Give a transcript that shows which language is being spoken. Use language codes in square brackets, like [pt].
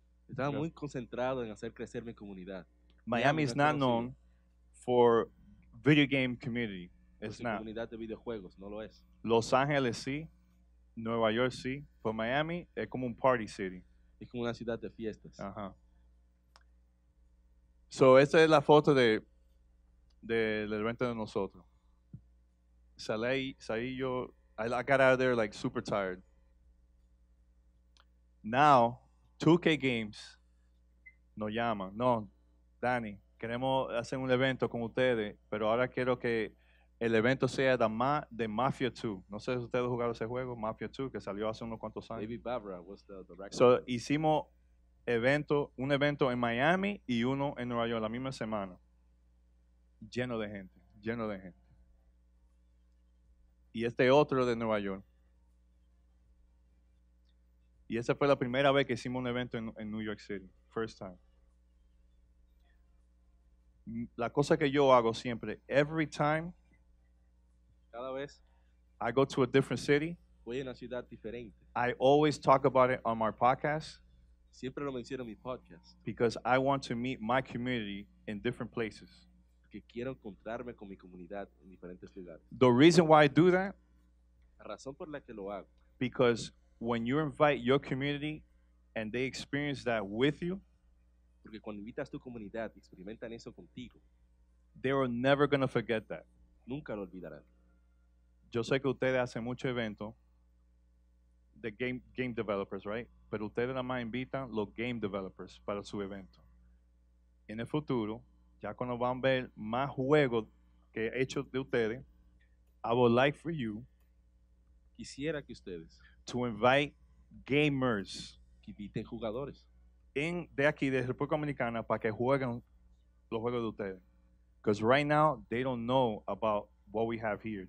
[es] Estaba muy concentrado en hacer crecer mi comunidad. [en] Miami is not known for video game community. It's not. [es] Comunidad de videojuegos, no lo es. Los Ángeles sí, Nueva York sí, pero Miami es como un party city. Es como una ciudad de fiestas. Ajá. So, esta es la foto del evento de nosotros. Salí yo. [en] I got out of there like super tired. [es] Now, 2K Games nos llama. No, Danny, queremos hacer un evento con ustedes, pero ahora quiero que el evento sea de Mafia 2. No sé si ustedes jugaron ese juego, Mafia 2, que salió hace unos cuantos años. [en] David Barbara was the director. [es] So, hicimos un evento en Miami y uno en Nueva York la misma semana. Lleno de gente. Y este otro de Nueva York. Y esa fue la primera vez que hicimos un evento en New York City. [en] First time. [es] La cosa que yo hago siempre, [en] every time, [es] cada vez, [en] I go to a different city, [es] voy a una ciudad diferente, [en] I always talk about it on my podcast. [es] Siempre lo menciono en mi podcast. [en] Because I want to meet my community in different places. [es] Porque quiero encontrarme con mi comunidad en diferentes ciudades. [en] The reason why I do that, [es] la razón por la que lo hago, [en] because when you invite your community and they experience that with you, [es] porque cuando invitas tu comunidad y experimentan eso contigo, [en] they are never going to forget that. [es] Nunca lo olvidarán. Yo sé que ustedes hacen mucho evento de game developers, right? Pero ustedes nada más invitan los game developers para su evento. En el futuro, ya cuando van a ver más juegos que he hecho de ustedes, [en] I would like for you, [es] quisiera que ustedes, [en] to invite gamers, [es] que inviten jugadores, de aquí, de República Dominicana, para que jueguen los juegos de ustedes. [en] Because right now, they don't know about what we have here.